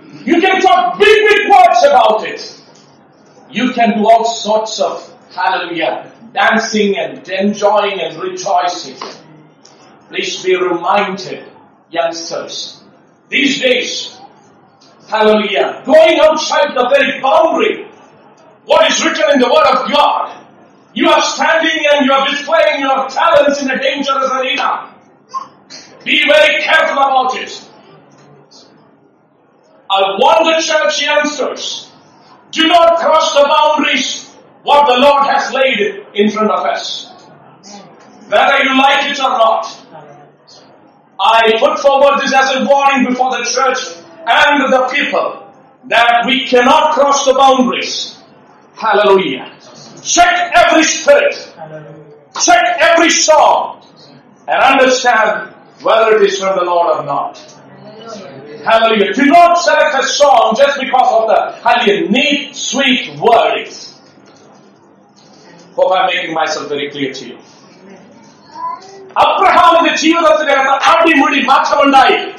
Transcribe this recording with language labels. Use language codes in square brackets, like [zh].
[en] You can talk big big words about it. You can do all sorts of hallelujah dancing and enjoying and rejoicing. Please be reminded youngsters these days, hallelujah going outside the very boundary. What is written in the word of God, you are standing and you are displaying your talents in a dangerous arena. Be very careful about it. I warn the church youngsters, do not cross the boundaries what the Lord has laid in front of us. Whether you like it or not, I put forward this as a warning before the church and the people that we cannot cross the boundaries. Hallelujah. Check every spirit. Hallelujah. Check every song. And understand whether it is from the Lord or not. Hallelujah. Do not select a song just because of the hallelujah, neat, sweet words. Hope I'm making myself very clear to you. [ml] Abraham [en] in the [ml] ജീവിതത്തിന് അകത്ത് അടിമുടി മാറ്റമുണ്ടായി.